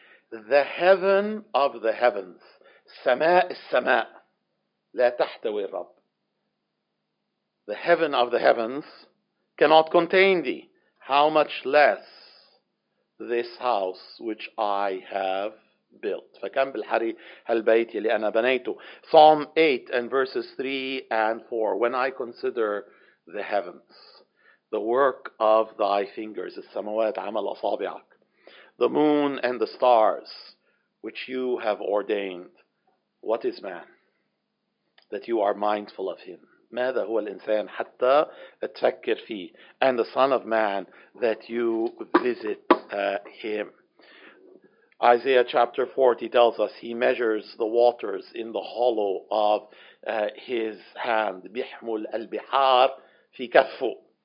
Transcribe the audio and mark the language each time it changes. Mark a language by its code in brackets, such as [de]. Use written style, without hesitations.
[en] The heaven of the heavens. [ar] سماء السماء. لا تحتوي الرب. [en] The heaven of the heavens cannot contain thee. How much less this house which I have built. [ar] فكم بالحري هالبيت يلي أنا بنيته. [en] Psalm 8 and verses 3 and 4. When I consider the heavens, the work of thy fingers, [ar] السماوات عمل أصابعك, [en] the moon and the stars which you have ordained, what is man that you are mindful of him? [ar] ماذا هو الإنسان حتى تفكر فيه? [en] And the son of man that you visit him. Isaiah chapter 40 tells us he measures the waters in the hollow of his hand. [ar] بيحمل البحار في كفه.